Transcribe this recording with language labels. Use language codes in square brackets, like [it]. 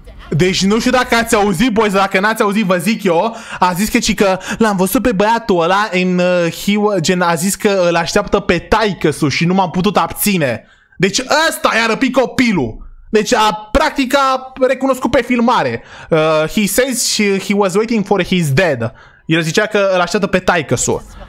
[ro] Deci nu știu dacă ați auzit, boys, dacă n-ați auzit, vă zic eu. A zis că l-am văzut pe băiatul ăla în gen, a zis că îl așteaptă pe taică-su și nu m-am putut abține. Deci ăsta i-a răpit copilul. Deci practic a recunoscut pe filmare. [en] He says he was waiting for his dad. [ro] El zicea că îl așteaptă pe taică-su.